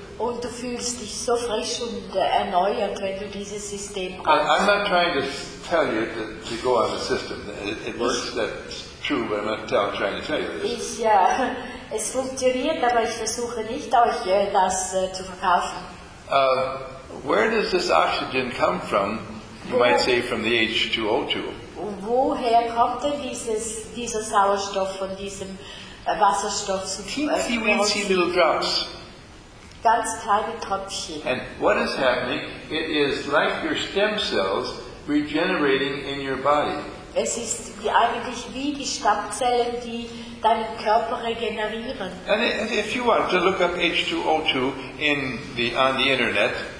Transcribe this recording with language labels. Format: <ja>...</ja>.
<de>Und du fühlst dich so frisch und erneuert, wenn du dieses System brauchst.</de> <en>I'm not trying to tell you to go on the system. It works, that's true, but I'm not trying to tell you this.</en> <de>Es funktioniert, aber ich versuche nicht, euch das zu verkaufen.</de> <en>Where does this oxygen come from? You might say from the H2O2.</en> <de>Woher kommt denn dieser Sauerstoff von diesem Wasserstoff zu</de> <en>Teensy-weensy little drops.</en> <de>Ganz kleine Tröpfchen.</de> <en>And what is happening? It is like your stem cells regenerating in your body.</en> <de>Es ist eigentlich wie die Stammzellen, die deinen Körper regenerieren.</de> <en>And if you want to look up H2O2 on the internet,</en>